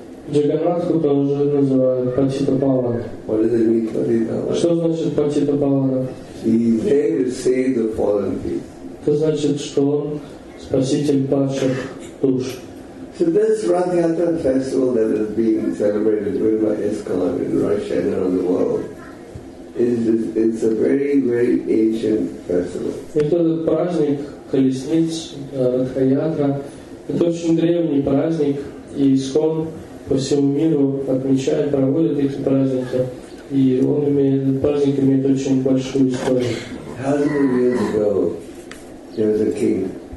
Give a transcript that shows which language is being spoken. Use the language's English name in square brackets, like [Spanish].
[Russian] Джаганнатху тоже называют Патита Павана. [English] What does it mean, Патита Павана? [Russian] Что значит Патита Павана? [English] He is there to save the fallen people. [Russian] Это значит, что он спаситель падших душ. [English] So this Ratha Yatra festival that is being celebrated during my ISKCON in Russia and around the world is a very, very ancient festival. [Russian] Это праздник колесниц Ратха Ятра. Это очень древний праздник, и ИСККОН по всему миру отмечает, проводит эти праздники, и он имеет, праздник имеет очень большую историю.